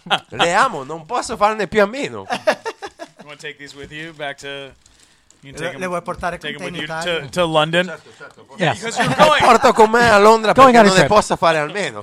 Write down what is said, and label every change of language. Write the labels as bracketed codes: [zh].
[it] Le amo, non posso farne più a meno. [en] You want to take these with you back to... You can take [it] le vuoi portare [en] take [it] con te in Italia? [en] To London? [it] Certo, [en] yes. [it] Porto con me a Londra perché non ne posso fare almeno.